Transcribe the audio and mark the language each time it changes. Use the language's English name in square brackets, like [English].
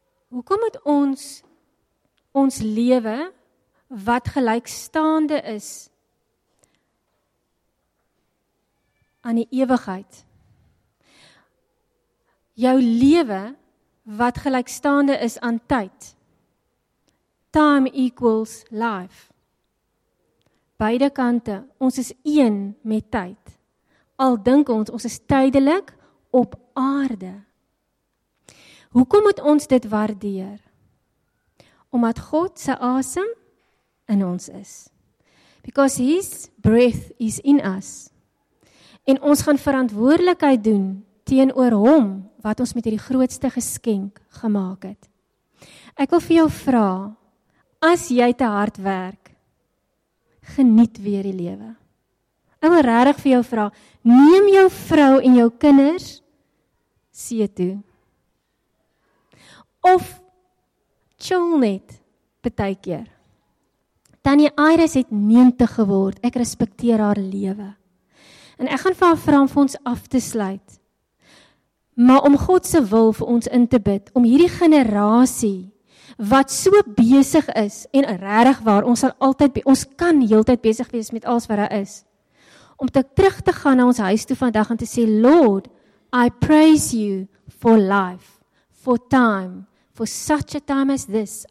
[Afrikaans] Hoekom moet ons lewe wat gelykstaande is aan die ewigheid? Jou lewe wat gelykstaande is aan tyd. [English] Time equals life. [Afrikaans] Beide kante, ons is een met tyd. Al dink ons is tydelik op aarde. Hoekom moet ons dit waardeer? Omdat God se asem in ons is. [English] Because his breath is in us. [Afrikaans] En ons gaan verantwoordelikheid doen teenoor hom wat ons met hierdie grootste geskenk gemaak het. Ek wil vir jou vra, as jy te hard werk, geniet weer die lewe. Ek wil regtig vir jou vra, neem jou vrou en jou kinders see toe. Of chill net, baie keer. Tannie Iris het 90 geword, ek respekteer haar lewe. En ek gaan vir haar vra om vir ons af te sluit. Maar om God se wil vir ons in te bid, om hierdie generasie wat so besig is en regtig waar ons sal altyd ons kan heeltyd besig wees met alles wat daar is. Om te terug te gaan na ons huis toe vandag en te sê [English] Lord, I praise you for life, for time, for such a time as this.